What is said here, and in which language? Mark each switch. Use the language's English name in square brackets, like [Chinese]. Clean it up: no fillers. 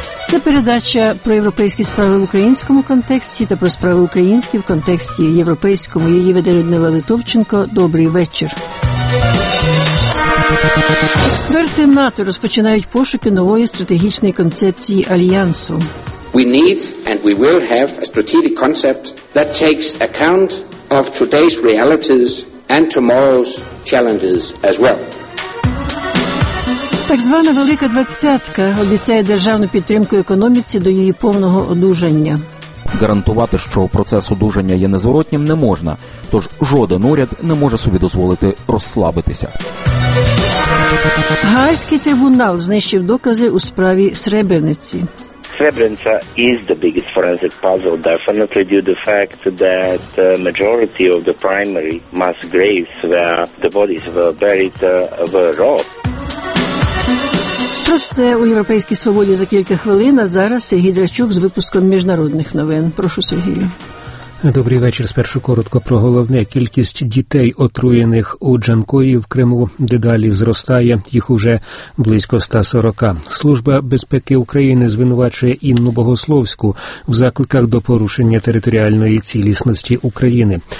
[Ukrainian] Це передача про європейські справи в українському контексті та про справи українські в контексті європейському. Її веде Людмила Литовченко. Добрий вечір. Експерти НАТО розпочинають пошуки нової стратегічної концепції Альянсу. [English] We need and we will have a strategic concept that takes account of today's realities and tomorrow's challenges as well. [Ukrainian] Так звана Велика Двадцятка обіцяє державну підтримку економіці до її повного одужання. Гарантувати, що процес одужання є незворотнім, не можна. Тож жоден уряд не може собі дозволити розслабитися. Гаазький трибунал знищив докази у справі Сребрениці. [English] Srebrenica is the biggest forensic puzzle, definitely due to the fact that the majority of the primary mass graves where the bodies were buried were robbed. [Ukrainian] Про це у Європейській Свободі за кілька хвилин, а зараз Сергій Драчук з випуском міжнародних новин. Прошу, Сергію. Добрий вечір. Спершу коротко про головне. Кількість дітей, отруєних у Джанкої в Криму, дедалі зростає. Їх уже близько 140. Служба безпеки України звинувачує Інну Богословську в закликах до порушення територіальної цілісності України.